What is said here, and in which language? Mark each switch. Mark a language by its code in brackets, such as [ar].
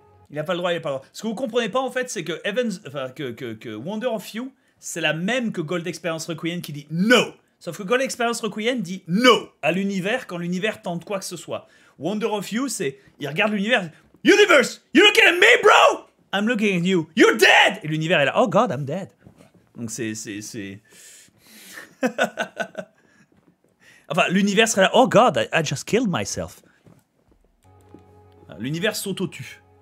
[fr] Il n'a pas le droit, il n'a pas le droit. Ce que vous ne comprenez pas, en fait, c'est que Evans, enfin, que Wonder of You, c'est la même que Gold Experience Requiem qui dit « No !» Sauf que Gold Experience Requiem dit « No !» à l'univers quand l'univers tente quoi que ce soit. Wonder of You, c'est... Il regarde l'univers. [en] « Universe, you looking at me, bro ?»« I'm looking at you. You're dead !» [fr] Et l'univers est là. « [en] Oh God, I'm dead. [fr] » Donc c'est... enfin, l'univers serait là. « [en] Oh God, I just killed myself. [fr] » L'univers s'auto-tue.